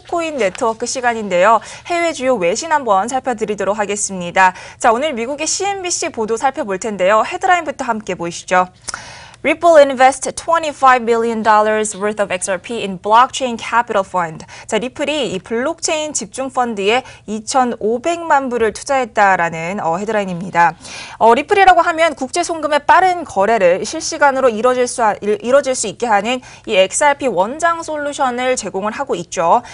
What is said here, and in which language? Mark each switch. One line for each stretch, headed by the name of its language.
Korean: 코인 네트워크 시간인데요. 해외 주요 외신 한번 살펴드리도록 하겠습니다. 자, 오늘 미국의 CNBC 보도 살펴볼 텐데요. 헤드라인부터 함께 보시죠.
English: Ripple invests $25 billion worth of XRP in blockchain capital fund.
Korean: 자, 리플이 이 블록체인 집중 펀드에 2,500만 불을 투자했다라는 헤드라인입니다. 리플이라고 하면 국제 송금의 빠른 거래를 실시간으로 이뤄질 수 있게 하는 이 XRP 원장 솔루션을 제공을 하고 있죠.